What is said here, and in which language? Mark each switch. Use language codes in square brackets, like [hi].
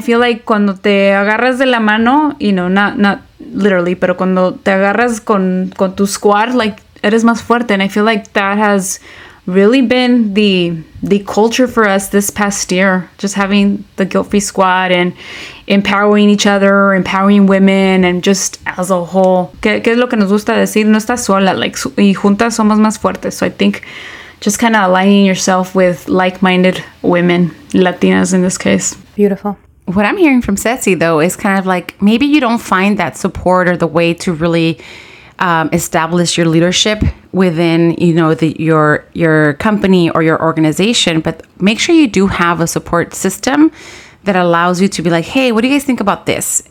[en] I feel like [es] cuando te agarras de la mano, [en] you know, not literally, [es] pero cuando te agarras con tu squad, like, eres más fuerte. [en] And I feel like that has really been the culture for us this past year, just having the guilt-free squad and empowering each other, empowering women, and just as a whole. [es] ¿Qué es lo que nos gusta decir? No estás sola, like, y juntas somos más fuertes. [en] So I think just kind of aligning yourself with like-minded women, Latinas in this case. Beautiful. What I'm hearing from Ceci, though, is kind of like maybe you don't find that support or the way to really establish your leadership within, you know, your company or your organization, but make sure you do have a support system that allows you to be like, hey, what do you guys think about this?